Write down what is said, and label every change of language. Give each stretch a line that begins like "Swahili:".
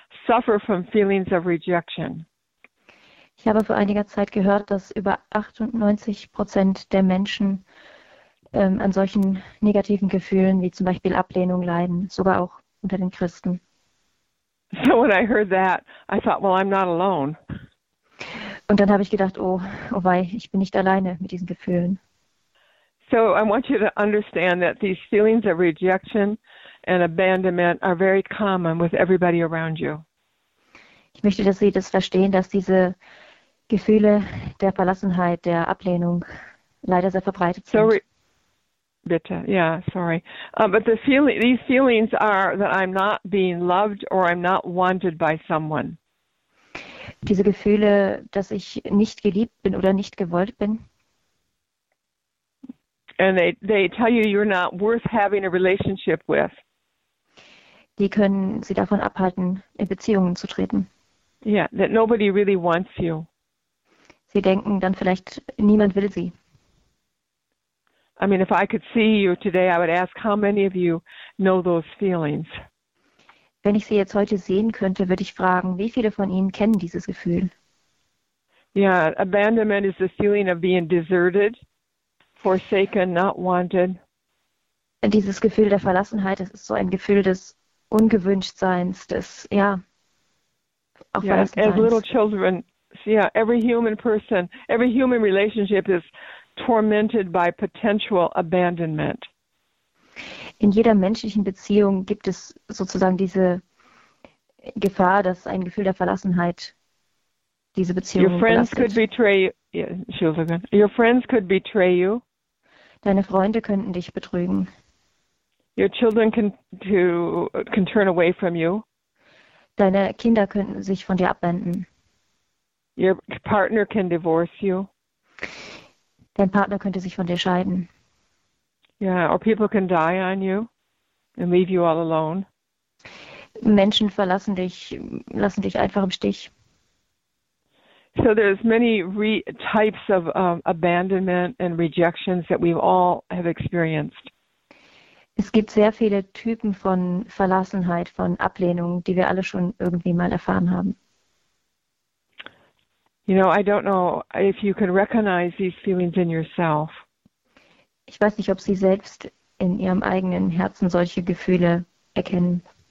English: suffer from feelings of rejection.
German: Ich habe vor einiger Zeit gehört, dass über 98% der Menschen an solchen negativen Gefühlen wie zum Beispiel Ablehnung leiden, sogar auch unter den Christen.
English: So when I heard that, I thought, well, I'm not alone.
German: Und dann habe ich gedacht, oh, oh wei, ich bin nicht alleine mit diesen Gefühlen.
English: So I want you to understand that these feelings of rejection and abandonment are very common with everybody around you.
German: Ich möchte, dass Sie das verstehen, dass diese Gefühle der Verlassenheit, der Ablehnung leider sehr verbreitet sind.
English: But these feelings are that I'm not being loved or I'm not wanted by someone.
German: Diese Gefühle, dass ich nicht geliebt bin oder nicht gewollt bin.
English: And they tell you you're not worth having a relationship with.
German: Die können Sie davon abhalten, in Beziehungen zu treten.
English: Yeah, that nobody really wants you.
German: Sie denken dann vielleicht, niemand will Sie.
English: I mean, if I could see you today, I would ask how many of you know those feelings.
German: Wenn ich Sie jetzt heute sehen könnte, würde ich fragen, wie viele von Ihnen kennen dieses Gefühl?
English: Yeah, abandonment is the feeling of being deserted, forsaken, not wanted.
German: Dieses Gefühl der Verlassenheit, das ist so ein Gefühl des Ungewünschtseins, des, ja, auch Verlassenseins.
English: As little children, yeah, every human person, every human relationship is tormented by potential abandonment.
German: In jeder menschlichen Beziehung gibt es sozusagen diese Gefahr, dass ein Gefühl der Verlassenheit diese Beziehung belastet.
English: Your friends
German: belastet.
English: Could betray you. Yeah, she was again. Your friends could betray you.
German: Deine Freunde könnten dich betrügen.
English: Your children can turn away from you.
German: Deine Kinder könnten sich von dir abwenden.
English: Your partner can divorce you.
German: Dein Partner könnte sich von dir scheiden.
English: Yeah, or people can die on you and leave you all alone.
German: Menschen verlassen dich, lassen dich einfach im Stich.
English: So there's many types of abandonment and rejections that we all have experienced.
German: Es gibt sehr viele Typen von Verlassenheit, von Ablehnung, die wir alle schon irgendwie mal erfahren haben.
English: You know, I don't know if you can recognize these feelings in yourself.
German: Ich weiß nicht, ob Sie selbst in Ihrem eigenen Herzen solche Gefühle erkennen.